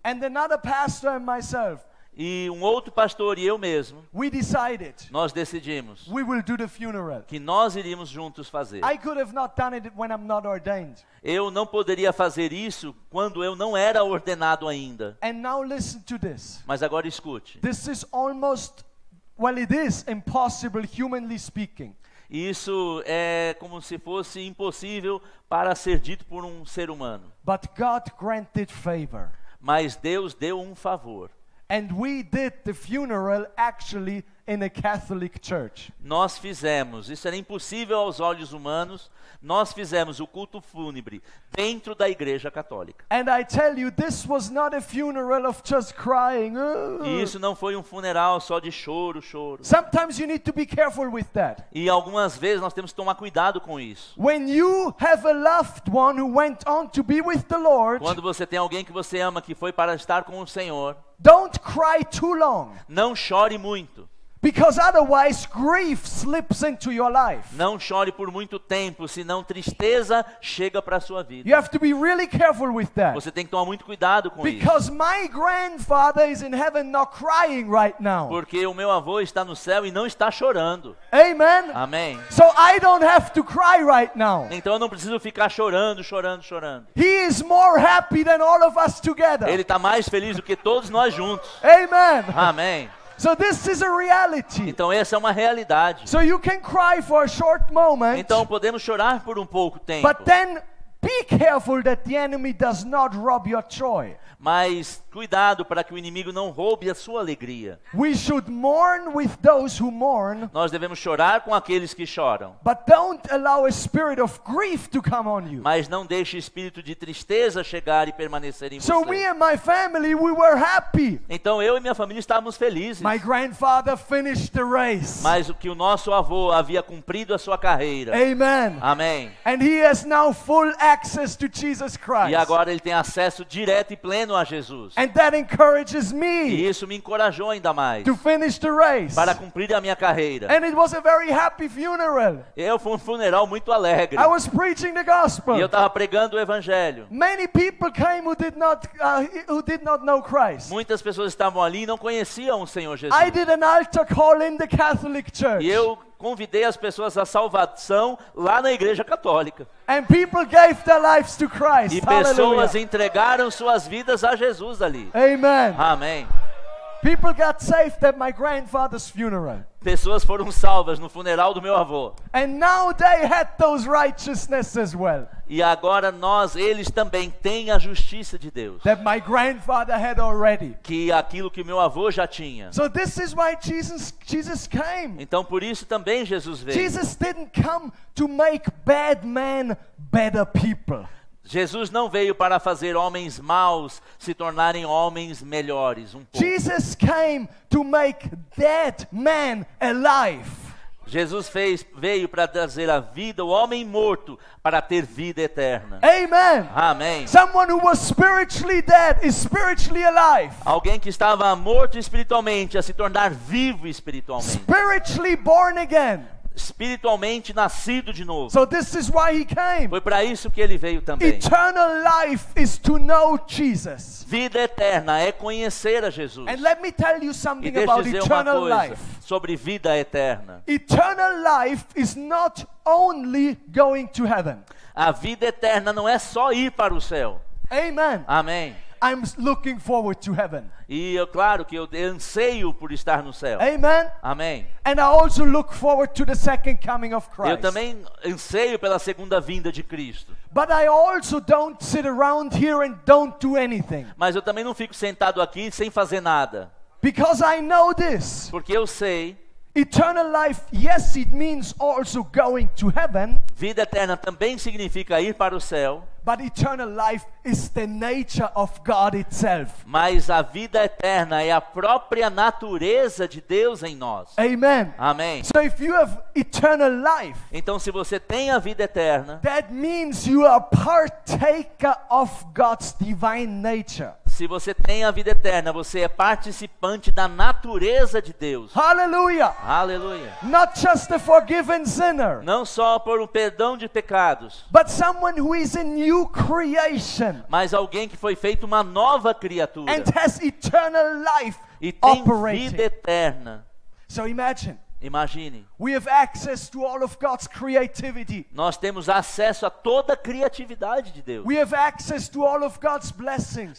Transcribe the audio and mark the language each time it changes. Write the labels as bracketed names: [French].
[English] And another pastor and myself. [Portuguese] E um outro pastor e eu mesmo. [English] We decided. [Portuguese] Nós decidimos. [English] We will do the funeral. [Portuguese] Que nós iríamos juntos fazer. [English] I could have not done it when I'm not ordained. [Portuguese] Eu não poderia fazer isso quando eu não era ordenado ainda. [English] And now listen to this. [Portuguese] Mas agora escute. [English] This is almost, well, it is impossible, humanly speaking. [Portuguese] Isso é como se fosse impossível para ser dito por um ser humano. [English] But God granted favor. [Portuguese] Mas Deus deu um favor. [English] And we did the funeral actually in a Catholic church. [Portuguese] Nós fizemos, isso era impossível aos olhos humanos, nós fizemos o culto fúnebre dentro da Igreja Católica. [English] And I tell you, this was not a funeral of just crying. [Portuguese] E isso não foi um funeral só de choro, choro. [English] Sometimes you need to be careful with that. [Portuguese] E algumas vezes nós temos que tomar cuidado com isso. [English] When you have a loved one who went on to be with the Lord. [Portuguese] Quando você tem alguém que você ama que foi para estar com o Senhor. [English] Don't cry too long. [Portuguese] Não chore muito. [English] Because otherwise grief slips into your life. [Portuguese] Não chore por muito tempo, senão tristeza chega para a sua vida. [English] You have to be really careful with that. [Portuguese] Você tem que tomar muito cuidado com [English] Because [Portuguese] isso. [English] My grandfather is in heaven not crying right now. [Portuguese] Porque o meu avô está no céu e não está chorando. [English] Amen. [Portuguese] Amém. [English] So I don't have to cry right now. [Portuguese] Então eu não preciso ficar chorando, chorando, chorando. [English] He is more happy than all of us together. [Portuguese] Ele está mais feliz do que todos nós juntos. [English] Amen. [Portuguese] Amém. [English] So this is a reality. [Portuguese] Então essa é uma realidade. [English] So you can cry for a short moment. [Portuguese] Então podemos chorar por um pouco tempo. [English] But then be careful that the enemy does not rob your joy. [Portuguese] Mas cuidado para que o inimigo não roube a sua alegria. [English] We should mourn with those who mourn. [Portuguese] Nós devemos chorar com aqueles que choram. [English] But don't allow a spirit of grief to come on you. [Portuguese] Mas não deixe o espírito de tristeza chegar e permanecer em [English] so [Portuguese] você. [English] So me and my family, we were happy. [Portuguese] Então eu e minha família estávamos felizes. [English] My grandfather finished the race. [Portuguese] Mas o que o nosso avô havia cumprido a sua carreira. [English] Amen. [Portuguese] Amém. [English] And he has now full access to Jesus Christ. [Portuguese] E agora ele tem acesso direto e pleno a Jesus. [English] And that encourages me. [Portuguese] E isso me encorajou ainda mais. [English] To finish the race. [Portuguese] Para cumprir a minha carreira. [English] And it was a very happy funeral. [Portuguese] Eu fui um funeral muito alegre. [English] I was preaching the gospel. [Portuguese] E eu estava pregando o evangelho. [English] Many people came who did not know Christ. [Portuguese] Muitas pessoas estavam ali e não conheciam o Senhor Jesus. [English] I did an altar call in the Catholic Church. [Portuguese] E eu convidei as pessoas à salvação lá na Igreja Católica. [English] And people gave their lives to Christ. [Portuguese] E pessoas [English] Hallelujah. [Portuguese] Entregaram suas vidas a Jesus ali. [English] Amen. [Portuguese] Amém. [English] People got saved at my grandfather's funeral. [Portuguese] Pessoas foram salvas no funeral do meu avô. [English] And now they had those righteousness as well. [Portuguese] E agora nós, eles também têm a justiça de Deus. [English] That my grandfather had already. [Portuguese] Que aquilo que meu avô já tinha. [English] So this is why Jesus came. [Portuguese] Então por isso também Jesus veio. [English] Jesus didn't come to make bad men better people. [Portuguese] Jesus não veio para fazer homens maus se tornarem homens melhores um pouco. [English] Jesus came to make dead men alive. [Portuguese] Jesus fez, veio para trazer a vida ao homem morto para ter vida eterna. [English] Amen. [Portuguese] Amém. [English] Someone who was spiritually dead is spiritually alive. [Portuguese] Alguém que estava morto espiritualmente a se tornar vivo espiritualmente. [English] Spiritually born again. [Portuguese] Espiritualmente nascido de novo. [English] So this is why he came. [Portuguese] Foi para isso que ele veio também. [English] Eternal life is to know Jesus. [Portuguese] Vida eterna é conhecer a Jesus. [English] And let me tell you something about eternal life. [Portuguese] Sobre vida eterna. [English] Eternal life is not only going to heaven. [Portuguese] A vida eterna não é só ir para o céu. [English] Amen. [Portuguese] Amém. [English] I'm looking forward to heaven. [Portuguese] E é claro que eu anseio por estar no céu. [English] Amen. [Portuguese] Amém. [English] And I also look forward to the second coming of Christ. [Portuguese] Eu também anseio pela segunda vinda de Cristo. [English] But I also don't sit around here and don't do anything. [Portuguese] Mas eu também não fico sentado aqui sem fazer nada. [English] Because I know this. [Portuguese] Porque eu sei. [English] Eternal life, yes, it means also going to heaven. [Portuguese] Vida eterna também significa ir para o céu. [English] But eternal life is the nature of God itself. [Portuguese] Mas a vida eterna é a própria natureza de Deus em nós. [English] Amen. [Portuguese] Amém. [English] So if you have eternal life, [Portuguese] então se você tem a vida eterna, [English] that means you are partaker of God's divine nature. [Portuguese] Se você tem a vida eterna, você é participante da natureza de Deus. [English] Hallelujah. [Portuguese] Hallelujah. [English] Not just a forgiven sinner. [Portuguese] Não só por um perdão de pecados. [English] But someone who is in new creation. [Portuguese] Mas alguém que foi feito uma nova criatura. [English] And has eternal life operating. [Portuguese] E tem vida eterna. [English] So imagine. [Portuguese] Imagine. [English] We have access to all of God's creativity. [Portuguese] Nós temos acesso a toda a criatividade de Deus. [English] We have access to all of God's blessings.